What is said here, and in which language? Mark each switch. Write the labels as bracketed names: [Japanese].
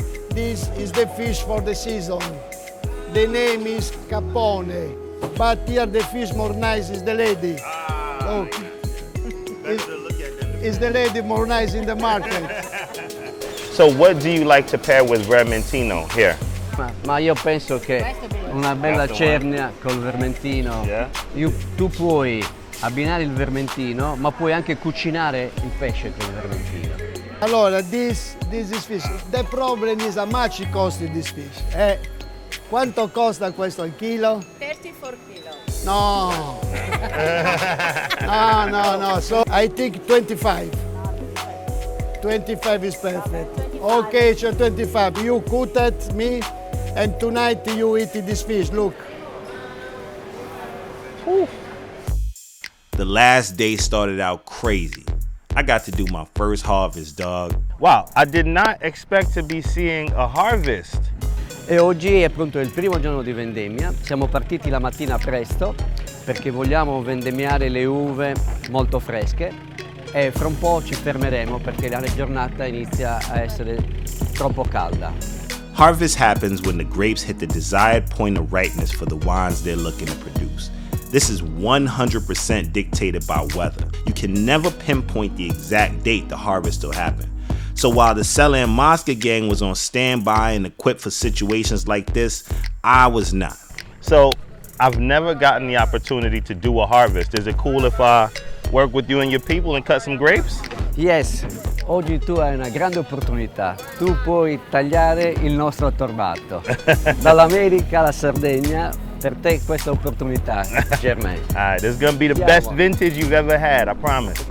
[English] This is the fish for the season. The name is Capone. But here the fish more nice is the lady. Ah, oh. Is the lady more nice in the market. So what do you like to pair with Vermentino here? [Italian] Ma io penso che una bella cernia col Vermentino. [English] Yeah. [Italian] Tu puoi abbinare il Vermentino, ma puoi anche cucinare il pesce con il Vermentino. [English] Allora, this is fish. The problem is how much it costs this fish. [Italian] Quanto costa questo al chilo? [English] 34 kilos. No. No. So I think 25. 25 is perfect. 25. Okay, so 25. You cut at me, and tonight you eat this fish. Look. Whew. The last day started out crazy. I got to do my first harvest, dog. Wow, I did not expect to be seeing a harvest. [Italian] E oggi è pronto il primo giorno di vendemmia. Siamo partiti la mattina presto perché vogliamo vendemmiare le uve molto fresche. E fra un po' ci fermeremo perché la giornata inizia a essere troppo calda. [English] Harvest happens when the grapes hit the desired point of ripeness for the wines they're looking to produce. This is 100% dictated by weather. You can never pinpoint the exact date the harvest will happen. So while the Sella Mosca gang was on standby and equipped for situations like this, I was not. So I've never gotten the opportunity to do a harvest. Is it cool if I work with you and your people and cut some grapes? Yes, [Italian] oggi tu hai una grande opportunità. Tu puoi tagliare il nostro torbato. Dall'America alla Sardegna, per te questa opportunità, Germain. [English] All right, this is gonna be the best vintage you've ever had, I promise.